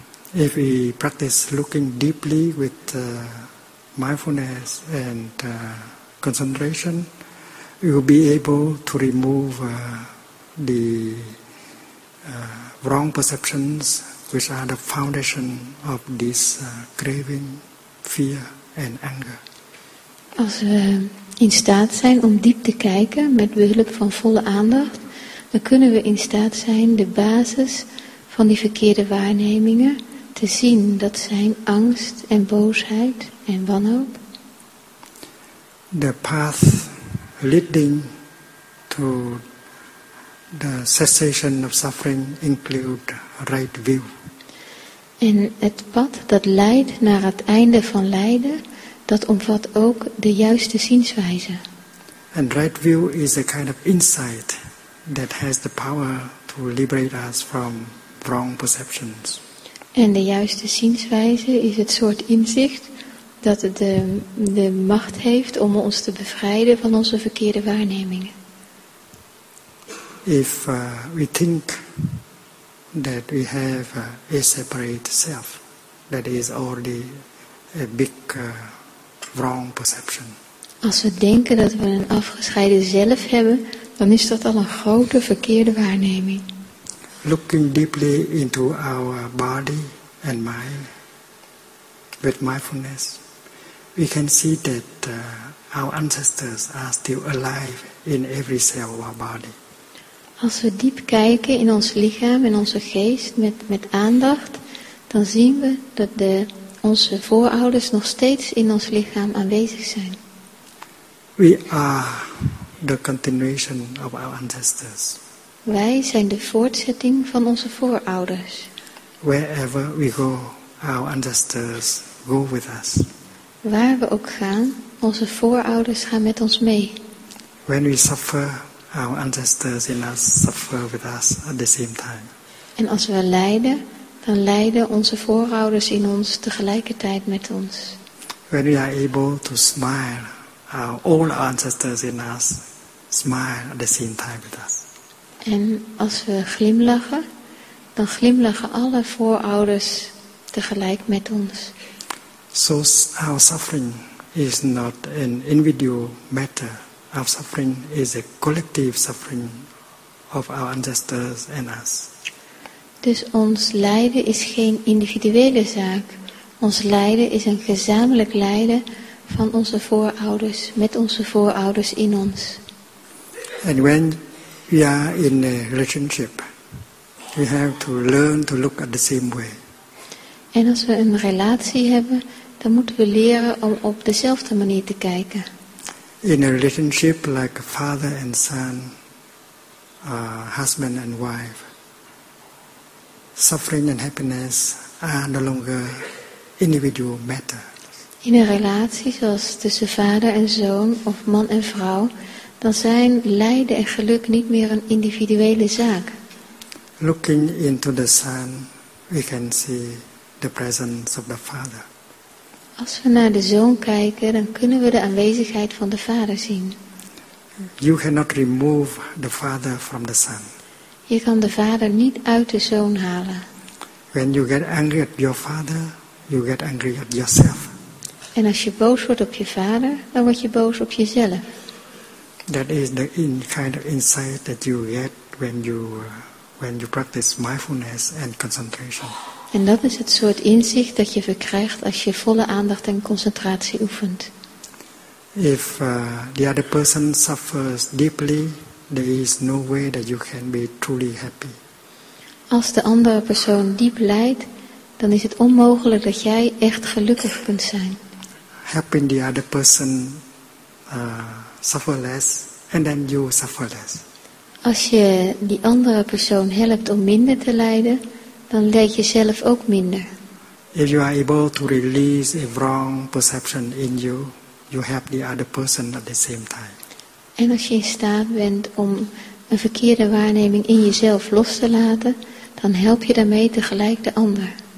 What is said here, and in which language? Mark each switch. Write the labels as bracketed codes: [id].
[en] If we practice looking deeply with mindfulness and concentration, we will be able to remove the wrong perceptions, which are the foundation of this craving, fear, and anger. [nl] Als we in staat zijn om diep te kijken met behulp van volle aandacht, dan kunnen we in staat zijn de basis van die verkeerde waarnemingen te zien. Dat zijn angst en boosheid en wanhoop. [en] The path leading to the cessation of suffering include right view. [nl] En het pad dat leidt naar het einde van lijden, dat omvat ook de juiste zienswijze. [en] And right view is a kind of insight that has the power to liberate us from wrong perceptions. [nl] En de juiste zienswijze is het soort inzicht dat het de macht heeft om ons te bevrijden van onze verkeerde waarnemingen. [en] If we think that we have a separate self, that is already a big wrong perception. [nl] Als we denken dat we een afgescheiden zelf hebben, dan is dat al een grote verkeerde waarneming. [en] Looking deeply into our body and mind with mindfulness, we can see that our ancestors are still alive in every cell of our body. [nl] Als we diep kijken in ons lichaam en onze geest met aandacht, dan zien we dat onze voorouders nog steeds in ons lichaam aanwezig zijn. [en] We are the continuation of our ancestors. [nl] Wij zijn de voortzetting van onze voorouders. [en] Wherever we go, our ancestors go with us. [nl] Waar we ook gaan, onze voorouders gaan met ons mee. [en] When we suffer, our ancestors in us suffer with us at the same time. [nl] En als we lijden, dan lijden onze voorouders in ons tegelijkertijd met ons. [en] When we are able to smile, our old ancestors in us smile at the same time with us. [nl] En als we glimlachen, dan glimlachen alle voorouders tegelijk met ons. [en] So our suffering is not an individual matter. Our suffering is a collective suffering of our ancestors and us. [nl] Dus ons lijden is geen individuele zaak. Ons lijden is een gezamenlijk lijden van onze voorouders, met onze voorouders in ons. [en] And when we are in a relationship, we have to learn to look at the same way. [nl] En als we een relatie hebben, dan moeten we leren om op dezelfde manier te kijken. [en] In a relationship like a father and son, husband and wife, suffering and happiness are no longer individual matter. [nl] In een relatie zoals tussen vader en zoon of man en vrouw, dan zijn lijden en geluk niet meer een individuele zaak. [en] Looking into the sun, we can see the presence of the father. [nl] Als we naar de zoon kijken, dan kunnen we de aanwezigheid van de vader zien. [en] You cannot remove the father from the son. [nl] Je kan de vader niet uit de zoon halen. [en] When you get angry at your father, you get angry at yourself. [nl] En als je boos wordt op je vader, dan word je boos op jezelf. [en] That is the kind of insight that you get when you practice mindfulness and concentration. [nl] En dat is het soort inzicht dat je verkrijgt als je volle aandacht en concentratie oefent. [en] If the other person suffers deeply, there is no way that you can be truly happy. [nl] Als de andere persoon diep lijdt, dan is het onmogelijk dat jij echt gelukkig kunt zijn. [en] Helping the other person suffer less, and then you suffer less. [nl] Als je die andere persoon helpt om minder te lijden, dan leid je zelf ook minder. [en] If you are able to release a wrong perception in you, you help the other person at the same time. [nl] En als je in staat bent om een verkeerde waarneming in jezelf los te laten, dan help je daarmee tegelijk de ander.